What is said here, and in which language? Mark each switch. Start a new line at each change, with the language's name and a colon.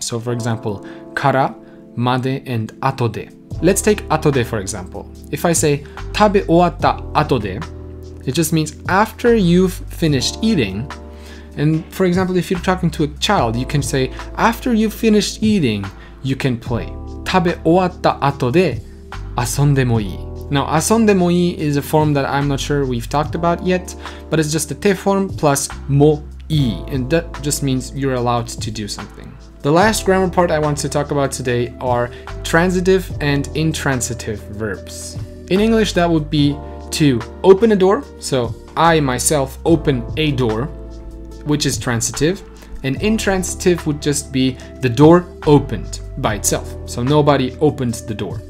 English: So for example, から, まで, and 後で. Let's take 後で for example. If I say
Japanese: 食べ終わった後で,
English: it just means after you've finished eating. And for example, if you're talking to a child, you can say after you've finished eating, you can play.
Japanese: 食べ終わった後で遊んでもいい。
English: Now,
Japanese: 遊んでもいい
English: is a form that I'm not sure we've talked about yet, but it's just a te form plus もいい, and that just means you're allowed to do something. The last grammar part I want to talk about today are transitive and intransitive verbs. In English, that would be to open a door, so I myself open a door, which is transitive, and intransitive would just be the door opened by itself, so nobody opened the door.